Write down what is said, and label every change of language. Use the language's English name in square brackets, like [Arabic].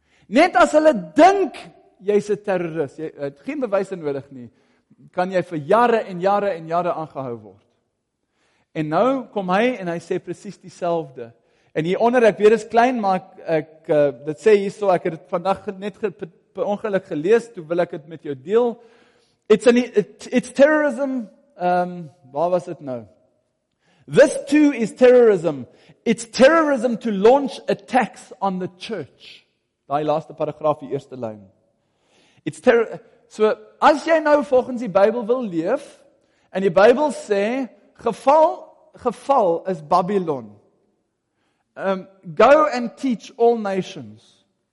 [Afrikaans] Net as hulle dink jy's 'n terroris, jy het geen bewyse nodig nie, kan jy vir jare en jare en jare aangehou word. En nou kom hy en hy sê presies dieselfde. En hieronder, ek weet is klein, maar dit sê hierso, ek het vandag net per ongeluk gelees, toe wil ek het met jou deel. [English] It's terrorism. [Afrikaans] Waar was het nou? [English] This too is terrorism. It's terrorism to launch attacks on the church. [Afrikaans] Die laaste paragraaf, die eerste lyn. It's so, as jy nou volgens die Bybel wil leef, en die Bybel sê, geval is Babylon. [English] Go and teach all nations.